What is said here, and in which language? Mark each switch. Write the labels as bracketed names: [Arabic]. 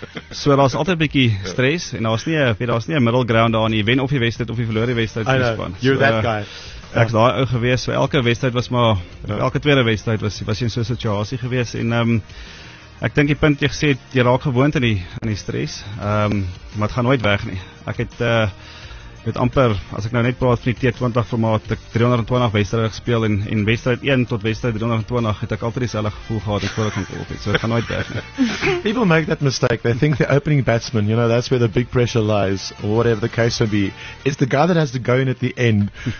[Afrikaans] So, daar is altyd bietjie stress, en daar is nie een middle ground daar, en jy wen of jy wedstrijd of jy verloor die wedstrijd in die span. [English] You're that guy. [Afrikaans] Ek is daar ou gewees, so elke wedstrijd was maar, elke tweede wedstrijd was jy in so'n situasie gewees, en ek dink die punt jy gesê, jy raak gewoond in die stress, maar het gaan nooit weg nie. Ek het met amper, as ek nou net praat van die T20 formaat, ek 320 wedstrijd gespeel, en wedstrijd 1 tot wedstrijd 320 het ek altyd dieselfde gevoel gehad, ek voor ek gaan kolf het, so het gaan nooit weg nie. [English] People make that mistake, they think the opening batsman, you know, that's where the big pressure lies, or whatever the case may be, it's the guy that has to go in at the end.